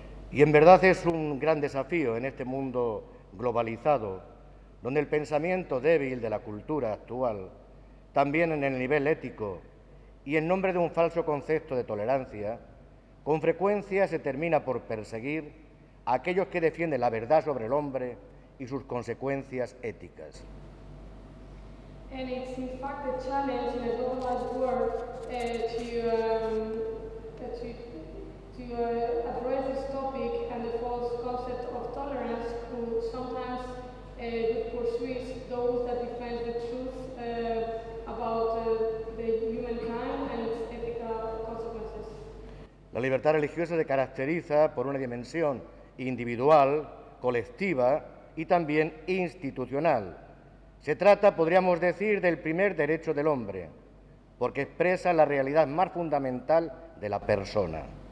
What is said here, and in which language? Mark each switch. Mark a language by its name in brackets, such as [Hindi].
[Spanish] Y en verdad es un gran desafío en este mundo globalizado, donde el pensamiento débil de la cultura actual, también en el nivel ético y en nombre de un falso concepto de tolerancia, con frecuencia se termina por perseguir a aquellos que defienden la verdad sobre el hombre y sus consecuencias éticas. [English] And it's in fact a challenge in a globalized world to address this topic and the false concept of tolerance, who sometimes pursues those that defend the truth about the humankind and its ethical consequences. [Spanish] La libertad religiosa se caracteriza por una dimensión individual, colectiva y también institucional. Se trata, podríamos decir, del primer derecho del hombre, porque expresa la realidad más fundamental de la persona.